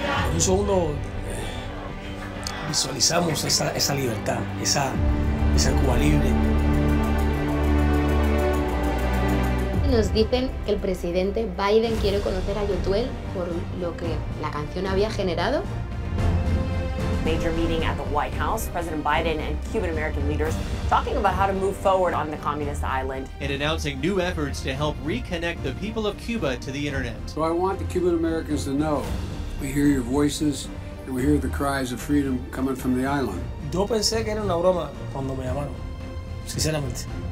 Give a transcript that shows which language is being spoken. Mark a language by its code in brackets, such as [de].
[es] En un segundo visualizamos esa libertad, esa Cuba libre. Nos dicen que el presidente Biden quiere conocer a Yotuel por lo que la canción había generado. [en] Major meeting at the White House, President Biden and Cuban American leaders talking about how to move forward on the communist island. And announcing new efforts to help reconnect the people of Cuba to the internet. So I want the Cuban Americans to know we hear your voices and we hear the cries of freedom coming from the island. [es] Yo pensé que era una broma cuando me llamaron, sinceramente.